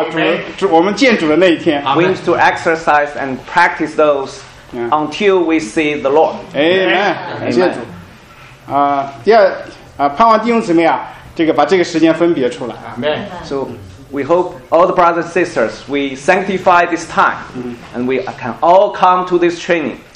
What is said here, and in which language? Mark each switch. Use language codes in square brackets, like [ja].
[en] We need to exercise and practice those until we see the Lord. [zh] Amen. 感谢主。第二，盼望弟兄姊妹啊，把这个时间分别出来。 [en] Amen. So we hope all the brothers and sisters, we sanctify this time, and we can all come to this training.